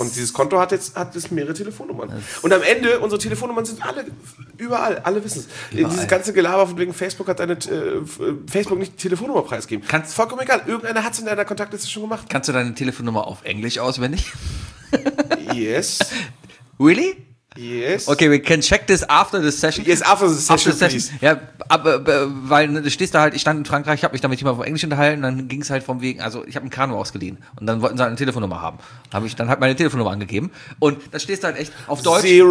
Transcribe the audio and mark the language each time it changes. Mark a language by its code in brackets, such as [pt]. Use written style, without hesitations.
[de] Und dieses Konto hat jetzt mehrere Telefonnummern. Und am Ende, unsere Telefonnummern sind alle überall, alle wissen es. Dieses ganze Gelaber von wegen Facebook hat Facebook nicht die Telefonnummer preisgegeben. Kannst, vollkommen egal, irgendeiner hat es in deiner Kontaktliste schon gemacht. Kannst du deine Telefonnummer auf Englisch auswendig? [en] Yes. Really? Yes. Okay, we can check this after the session. Yes, after the session, after the session. [de] Ja, aber du stehst da halt, ich stand in Frankreich, habe mich damit jemand auf Englisch unterhalten, dann ging es halt vom Wegen, also ich habe ein Kanu ausgeliehen und dann wollten sie halt eine Telefonnummer haben. Dann hat meine Telefonnummer angegeben und dann stehst du halt echt auf Deutsch.